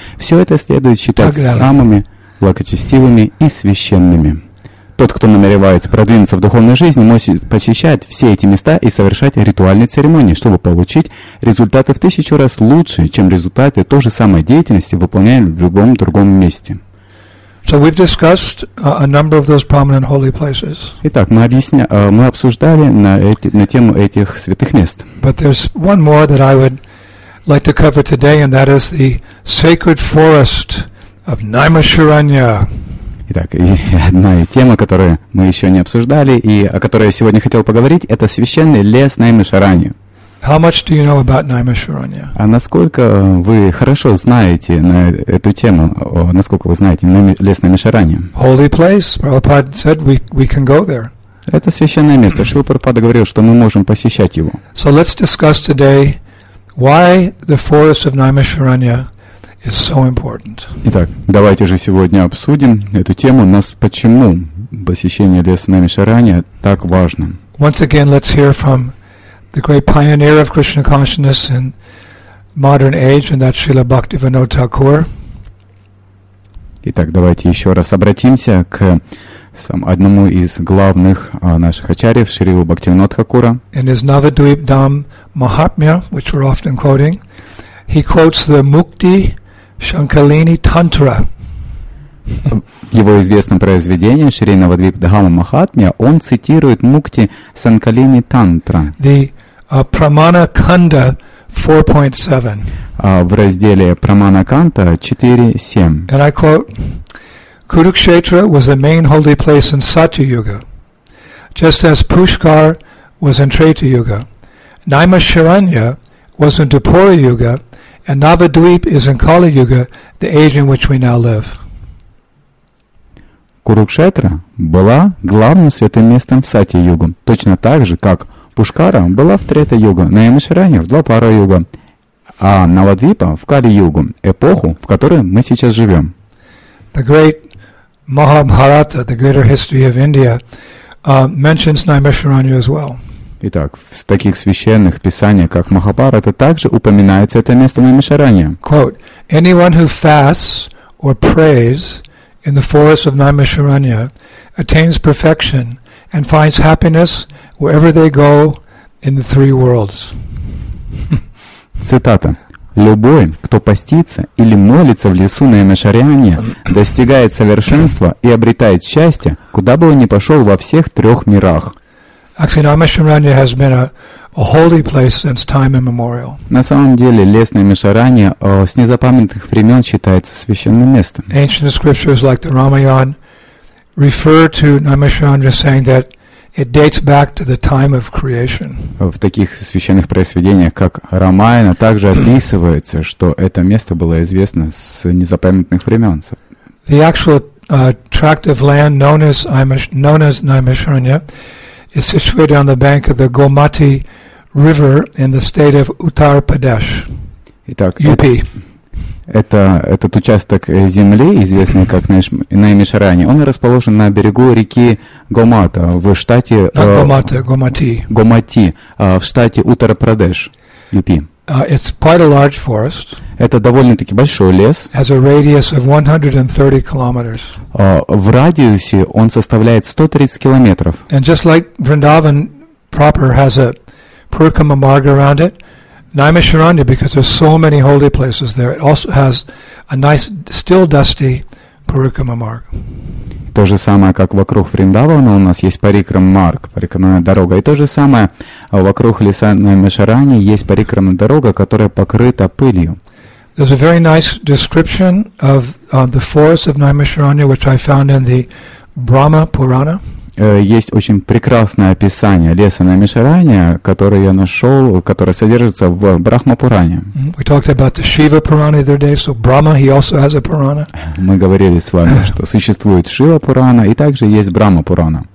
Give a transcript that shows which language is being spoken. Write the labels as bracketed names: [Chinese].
[Russian] Все это следует считать самыми благочестивыми и священными. Тот, кто намеревается продвинуться в духовной жизни, может посещать все эти места и совершать ритуальные церемонии, чтобы получить результаты в 1000 раз лучше, чем результаты той же самой деятельности, выполняемой в любом другом месте. [English] So we've discussed a number of those prominent holy places. [Russian] Итак, мы обсуждали на тему этих святых мест. [English] But there's one more that I would like to cover today, and that is the sacred forest of Naimasharanya. [Russian] Итак, одна тема, которую мы еще не обсуждали и о которой я сегодня хотел поговорить, это священный лес Наймашараньи. [English] How much do you know about Naimasharanya? [Russian] А насколько вы хорошо знаете на эту тему, насколько вы знаете лес Наймашараньи? [English] Holy place, Prabhupada said we can go there. [Russian] Это священное место. Шрила Прабхупада говорил, что мы можем посещать его. [English] So let's discuss today why the forest of Naimasharanya is so important. [Russian] Итак, давайте же сегодня обсудим эту тему. Нас почему посещение леса Наймашараньи так важно? [English] Once again, let's hear from the great pioneer of Krishna consciousness in modern age, and that's Srila Bhaktivinoda Thakur. [Russian] Итак, давайте еще раз обратимся к одному из главных наших ачарьев, Шрилу Бхактивинода Тхакура. [English] In his Navadvip Dham Mahatmya, which we're often quoting, he quotes the Mukti Shankalini Tantra. [Russian] В его известном произведении Шри Навадвип Дхама Махатмья он цитирует Мукти Санкалини Тантра. [English] The Pramana Kanda 4.7. [Russian] В разделе Pramana Kanda 4.7. [English] And I quote, Kurukshetra was the main holy place in Satya Yuga, just as Pushkar was in Treta Yuga. Naimasharanya was in Dupara Yuga, and Navadvip is in Kali Yuga, the age in which we now live. [Russian] Курукшетра была главным святым местом в Сатья-югу, точно так же, как Пушкара была в Трета-югу, Наймашараньи в Двапара-югу, а Навадвипа в Кали-югу, эпоху, в которой мы сейчас живем. [English] The great Mahabharata, the greater history of India, mentions Naimasharanya as well. [Russian] Итак, в таких священных писаниях, как Махабхарата, также упоминается это место Наймашараньи. [English] Quote, anyone who fasts or prays in the forest of Naimasharanya attains perfection and finds happiness wherever they go in the three worlds. [Russian] Цитата. Любой, кто постится или молится в лесу Наймашараньи, достигает совершенства и обретает счастье, куда бы он ни пошел во всех трех мирах. [English] Actually, Naimasharanya has been a holy place since time immemorial. [Russian] На самом деле, лес Наймашараньи с незапамятных времен считается священным местом. [English] Ancient scriptures like the Ramayana refer to Naimasharanya saying that it dates back to the time of creation. [Russian] В таких священных произведениях, как Рамаяна, также описывается, что это место было известно с незапамятных времен. [English] The actual tract of land known as Naimasharanya is situated on the bank of the Gomati River in the state of Uttar Pradesh, [Russian] Итак, [English] UP. [Russian] Этот участок земли, известный как Наймашараньи, он расположен на берегу реки Гомата в штате... Гомати, в штате Уттар-Прадеш, UP. [English] It's quite a large forest. [Russian] Это довольно-таки большой лес. [English] Has a radius of 130 kilometers. [Russian] В радиусе он составляет 130 километров. [English] And just like Vrindavan proper has a Purukkama Marga around it, Naimasharanya, because there's so many holy places there, it also has a nice, still dusty Purukkama Marga. [Russian] То же самое, как вокруг Вриндавана у нас есть Парикрама Марг, Парикрама дорога. И то же самое вокруг леса Наймашараньи есть Парикрама дорога, которая покрыта пылью. [English] There's a very nice description of the forest of Naimasharanya, which I found in the Brahma Purana. [Russian] Есть очень прекрасное описание леса Наймашараньи, которое я нашел, которое содержится в Брахма Пуране. [English] We talked about the Shiva Purana the other day, so Brahma, he also has a Purana. [Russian] Мы говорили с вами, что существует Шива Пурана и также есть Брахма Пурана.